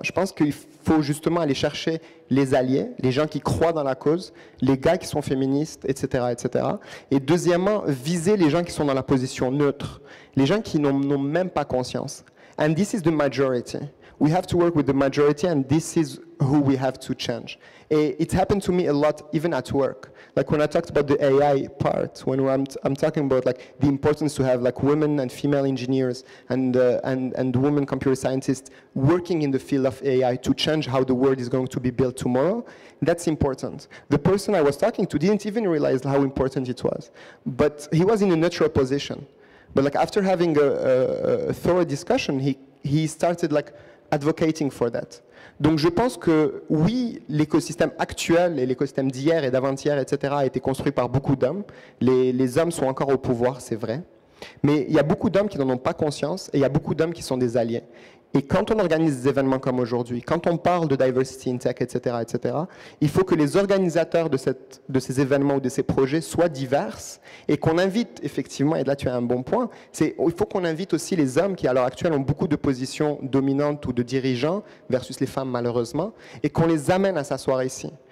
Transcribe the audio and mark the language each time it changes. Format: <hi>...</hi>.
<fr>Je pense qu'il faut justement aller chercher les alliés, les gens qui croient dans la cause, les gars qui sont féministes, etc., etc. Et deuxièmement, viser les gens qui sont dans la position neutre, les gens qui n'ont même pas conscience.</fr> <en>And this is the majority. We have to work with the majority, and this is who we have to change. And it happened to me a lot, even at work. Like when I talked about the AI part, when I'm talking about like the importance to have like women and female engineers and women computer scientists working in the field of AI to change how the world is going to be built tomorrow, that's important. The person I was talking to didn't even realize how important it was, but he was in a neutral position. But like after having a thorough discussion, he started like advocating for that.</en> <fr>Donc je pense que oui, l'écosystème actuel et l'écosystème d'hier et d'avant-hier, etc., a été construit par beaucoup d'hommes. Les hommes sont encore au pouvoir, c'est vrai. Mais il y a beaucoup d'hommes qui n'en ont pas conscience et il y a beaucoup d'hommes qui sont des alliés. Et quand on organise des événements comme aujourd'hui, quand on parle de diversity in tech, etc., etc., il faut que les organisateurs de ces événements ou de ces projets soient divers et qu'on invite, effectivement, et là tu as un bon point, il faut qu'on invite aussi les hommes qui à l'heure actuelle ont beaucoup de positions dominantes ou de dirigeants versus les femmes malheureusement, et qu'on les amène à s'asseoir ici.</fr>